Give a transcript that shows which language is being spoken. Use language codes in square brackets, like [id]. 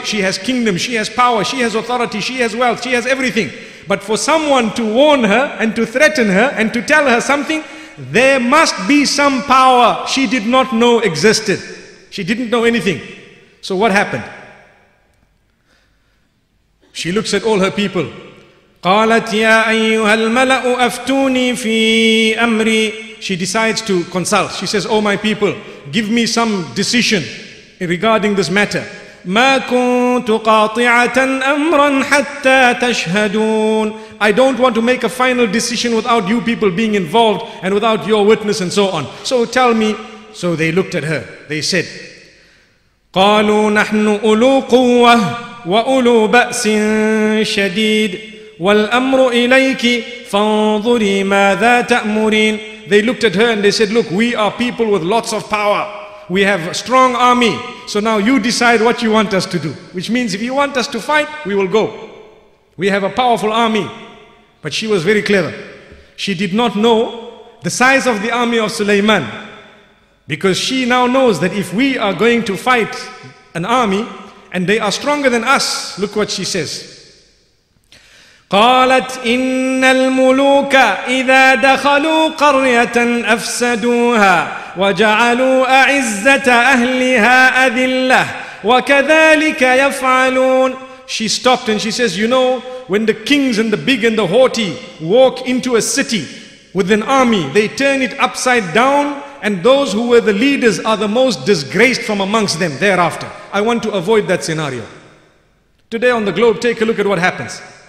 [en] She has kingdom, she has power, she has authority, she has wealth, she has everything. But for someone to warn her and to threaten her and to tell her something, there must be some power she did not know existed. She didn't know anything. So what happened? She looks at all her people. [ar] قالت يا أيها الملأ أفتوني في أمري. [en] She decides to consult. She says, oh my people, give me some decision regarding this matter. [ar] ما كنت قاطعة أمرا حتى تشهدون. [en] I don't want to make a final decision without you people being involved and without your witness and so on. So tell me. So they looked at her. They said, [ar] قالوا نحن أولو قوة وأولو بأس شديد والأمر إليك فانظري ماذا تأمرين. [en] They looked at her and they said, look, we are people with lots of power. We have a strong army. So now you decide what you want us to do. Which means if you want us to fight, we will go. We have a powerful army. But she was very clever. She did not know the size of the army of Suleyman, because she now knows that if we are going to fight an army and they are stronger than us, look what she says. [ar] قالت إن الملوك إذا دخلوا قرية أفسدوها وجعلوا أعزة أهلها أذلة وكذلك يفعلون. [en] She stopped and she says, you know, when the kings and the big and the haughty walk into a city with an army, they turn it upside down, and those who were the leaders are the most disgraced from amongst them thereafter. I want to avoid that scenario. Today on the globe, take a look at what happens.